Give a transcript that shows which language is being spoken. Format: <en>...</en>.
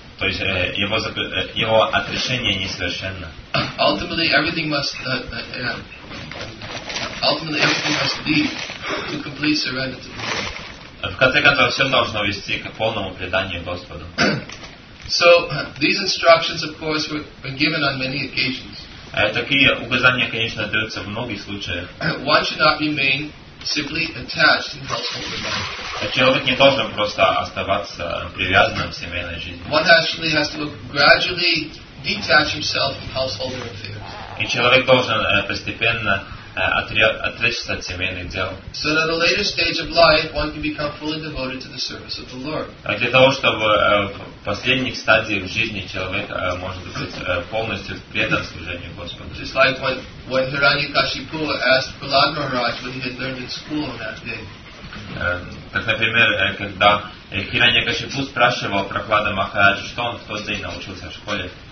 <ru>То есть его отрешение несовершенно.</ru> <en>Ultimately everything must lead to complete surrender to the Lord.</en> <ru>В конце концов все должно вести к полному преданию Господу.</ru> <en>So these instructions, of course, were given on many occasions.</en> <ru>Такие указания, конечно, даются в многих случаях.</ru> <en>One should not remain simply attached in household life.</en> <ru>Человек не должен просто оставаться привязанным в семейной жизни.</ru> <en>One actually has to gradually detach himself from household affairs.</en> <ru>И человек должен постепенно отречься от семейных дел.</ru> <en>So that at a later stage of life, one can become fully devoted to the service of the Lord.</en> <ru>Для того чтобы в последних стадиях жизни человек может быть полностью предан служению Господу.</ru> <en>Just like when Hiranyakashipu asked Prahlad Maharaj what he had learned in school on that day.</en> <ru>Как, например, когда Хираньякашипу спрашивал Прохлада Махараджа, что он в тот день научился в школе.</ru>